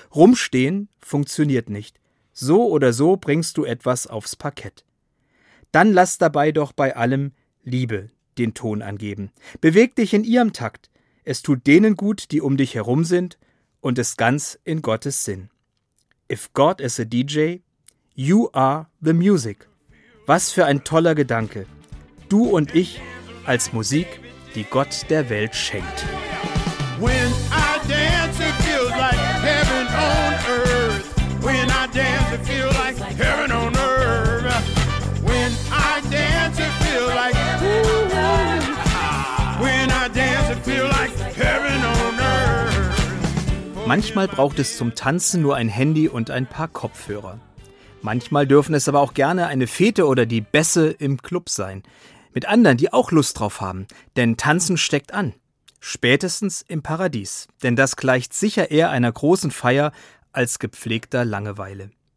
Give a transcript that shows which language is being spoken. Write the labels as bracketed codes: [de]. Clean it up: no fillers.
[de] Rumstehen funktioniert nicht. So oder so bringst du etwas aufs Parkett. Dann lass dabei doch bei allem Liebe den Ton angeben. Beweg dich in ihrem Takt. Es tut denen gut, die um dich herum sind, und ist ganz in Gottes Sinn. [en] If God is a DJ, you are the music. [de] Was für ein toller Gedanke. Du und ich als Musik, die Gott der Welt schenkt. [en] When I dance, it feels like heaven on earth. When I dance, it feels like heaven on earth. When I dance, it feels like ooh, ooh. When I dance, it feels like heaven on earth. [de] Manchmal braucht es zum Tanzen nur ein Handy und ein paar Kopfhörer. Manchmal dürfen es aber auch gerne eine Fete oder die Bässe im Club sein. Mit anderen, die auch Lust drauf haben. Denn Tanzen steckt an. Spätestens im Paradies. Denn das gleicht sicher eher einer großen Feier als gepflegter Langeweile.